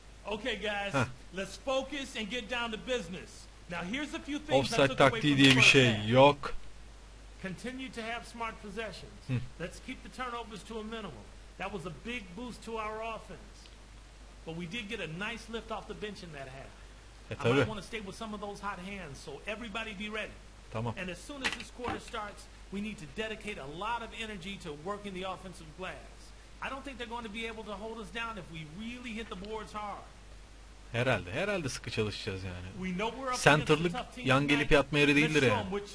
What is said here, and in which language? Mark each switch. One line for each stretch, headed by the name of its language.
English: Okay guys, let's focus and get down to business. Now here's a few things.
Turkish: Offside taktiği diye bir şey yok.
English: Continue to have smart possessions. Let's keep the turnovers to a minimum. That was a big boost to our offense. But we did get a nice lift off the bench in that half.
Turkish: Tabii.
English: I want to stay with some of those hot hands, so everybody be ready.
Turkish: Tamam.
English: And as soon as this quarter starts, we need to dedicate a lot of energy to working the offensive glass. I don't think they're going to be able to hold us down if we really hit the boards hard.
Turkish: Herhalde, herhalde sıkı çalışacağız yani. Centerlık yan gelip yatma yeri değildir yani.